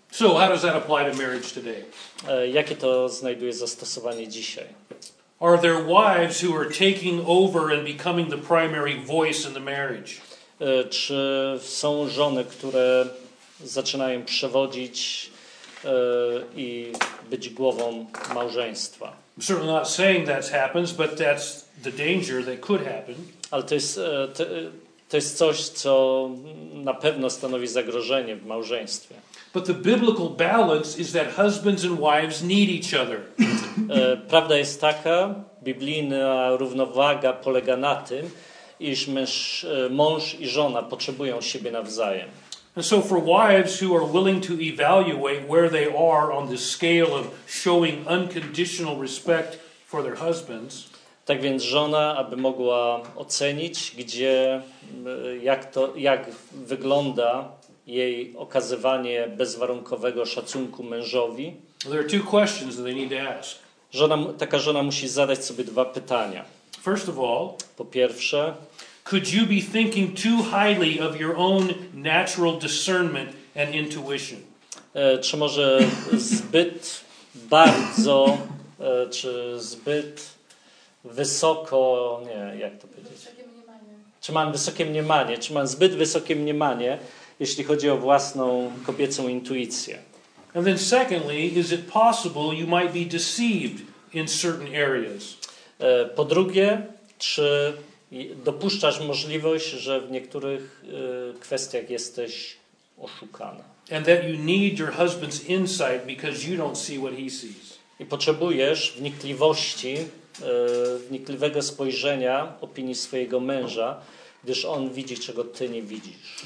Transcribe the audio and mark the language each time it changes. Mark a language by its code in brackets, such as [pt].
[en] So how does that apply to marriage today? [pl] Jakie to znajduje zastosowanie dzisiaj? [en] Are there wives who are taking over and becoming the primary voice in the marriage? [pl] Czy są żony, które zaczynają przewodzić i być głową małżeństwa? [en] I'm certainly not saying that happens, but that's the danger that could happen. [pl] Ale to jest coś, co na pewno stanowi zagrożenie w małżeństwie. [en] But the biblical balance is that husbands and wives need each other. [pl] Prawda jest taka, biblijna równowaga polega na tym, iż mąż i żona potrzebują siebie nawzajem. [en] And so for wives who are willing to evaluate where they are on the scale of showing unconditional respect for their husbands. [pl] Tak więc żona, aby mogła ocenić, gdzie, jak wygląda jej okazywanie bezwarunkowego szacunku mężowi. [en] There are two questions that they need to ask. [pl] Taka żona musi zadać sobie dwa pytania. [en] First of all, [pl] po pierwsze, [en] could you be thinking too highly of your own natural discernment and intuition? [pl] Czy może zbyt bardzo, czy zbyt wysoko, nie, jak to powiedzieć? Wysokie mniemanie. Czy mam zbyt wysokie mniemanie, jeśli chodzi o własną kobiecą intuicję? [en] And then secondly, is it possible you might be deceived in certain areas? [pl] Po drugie, czy dopuszczasz możliwość, że w niektórych kwestiach jesteś oszukana. [en] And that you need your husband's insight because you don't see what he sees. [pl] I potrzebujesz wnikliwości, wnikliwego spojrzenia opinii swojego męża, gdyż on widzi, czego ty nie widzisz.